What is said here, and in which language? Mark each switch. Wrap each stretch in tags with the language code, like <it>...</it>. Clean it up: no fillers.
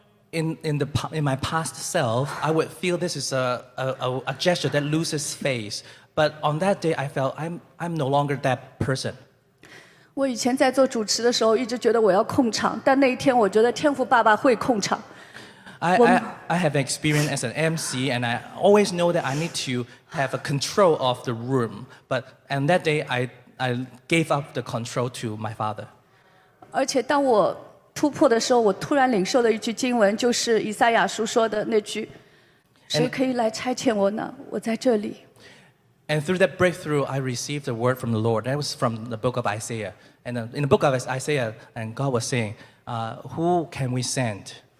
<en>In my past self, I would feel this is a gesture that loses face. But on that day, I felt I'm no longer that person.</en> <zh>我以前在做主持的时候，一直觉得我要控场，但那一天我觉得天父爸爸会控场。</zh> <en>I have experience as an MC, and I always know that I need to have a control of the room. But on that day, I gave up the control to my father.</en> <zh>而且当我 突破的时候，我突然领受了一句经文，就是以赛亚书说的那句：“谁可以来差遣我呢？我在这里。”</zh> <en>And through that breakthrough, I received a word from the Lord. That was from the book of Isaiah. And in the book of Isaiah, and God was saying, "Who can we send?"</en>